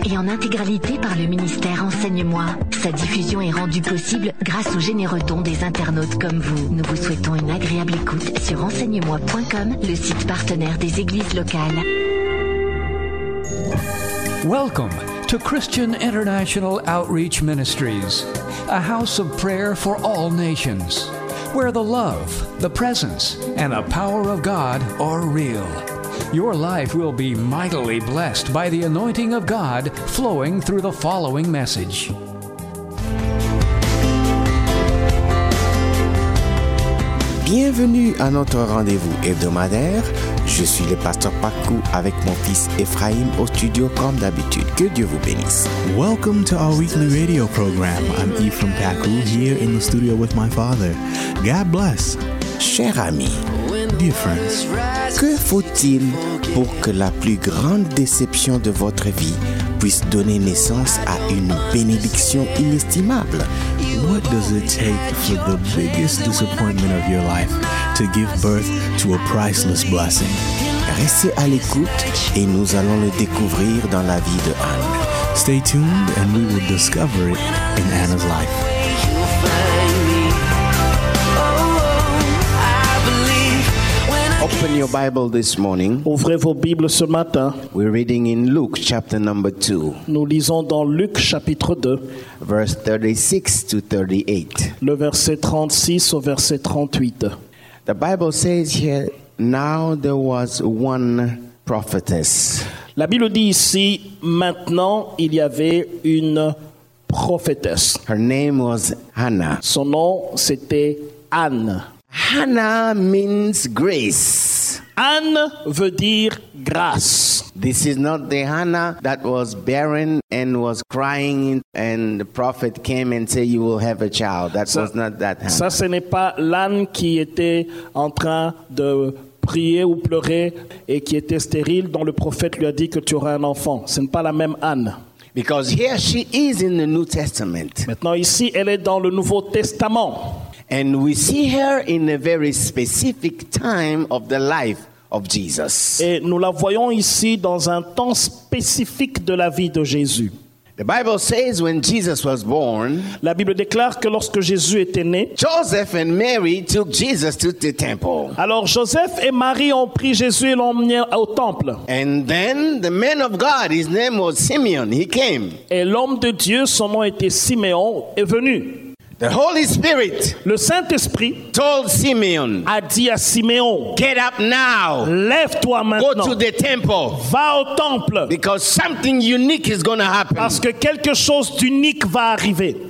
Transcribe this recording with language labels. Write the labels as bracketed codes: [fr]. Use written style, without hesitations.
[fr] Et en intégralité par le ministère Enseigne-moi. Sa diffusion est rendue possible grâce aux généreux dons des internautes comme vous. Nous vous souhaitons une agréable écoute sur enseignemoi.com, le site partenaire des églises locales. [en] Welcome to Christian International Outreach Ministries, a house of prayer for all nations, where the love, the presence, and the power of God are real. Your life will be mightily blessed by the anointing of God flowing through the following message. [fr] Bienvenue à notre rendez-vous hebdomadaire. Je suis le pasteur Pakou avec mon fils Ephraim au studio comme d'habitude. Que Dieu vous bénisse. [en] Welcome to our weekly radio program. I'm Ephraim Pakou here in the studio with my father. God bless. [fr] Cher ami, [en] dear friends, [fr] que faut-il pour que la plus grande déception de votre vie puisse donner naissance à une bénédiction inestimable? [en] What does it take for the biggest disappointment of your life to give birth to a priceless blessing? [fr] Restez à l'écoute et nous allons le découvrir dans la vie de Anne. [en] Stay tuned and we will discover it in Anna's life. Open your Bible this morning. [fr] Ouvrez vos Bibles ce matin. [en] We're reading in Luke chapter number 2. [fr] Nous lisons dans Luc chapitre 2. [en] Verse 36 to 38. [fr] Le verset 36 au verset 38. [en] The Bible says here, now there was one prophetess. [fr] La Bible dit ici, maintenant il y avait une prophétesse. [en] Her name was Hannah. [fr] Son nom c'était Anne. [en] Hannah means grace. [fr] Anne veut dire grâce. [en] This is not the Hannah that was barren and was crying and the prophet came and said you will have a child. That was not that Hannah. [fr] Ça ce n'est pas l'âne qui était en train de prier ou pleurer et qui était stérile dont le prophète lui a dit que tu auras un enfant. Ce n'est pas la même Anne. [en] Because here she is in the New Testament. [fr] Maintenant ici elle est dans le Nouveau Testament. [en] And we see her in a very specific time of the life of Jesus. [fr] Et nous la voyons ici dans un temps spécifique de la vie de Jésus. [en] The Bible says when Jesus was born, [fr] la Bible déclare que lorsque Jésus était né, [en] Joseph and Mary took Jesus to the temple. [fr] Alors Joseph et Marie ont pris Jésus et l'ont emmené au temple. [en] And then the man of God, his name was Simeon, he came. [fr] Et l'homme de Dieu, son nom était Siméon, est venu. [en] The Holy Spirit, [fr] le Saint-Esprit, [en] told Simeon, [fr] a dit à Siméon, [en] get up now, [fr] lève-toi maintenant, [en] go to the temple, [fr] va au temple, [en] because something unique is going to happen, [fr] parce que quelque chose d'unique va arriver.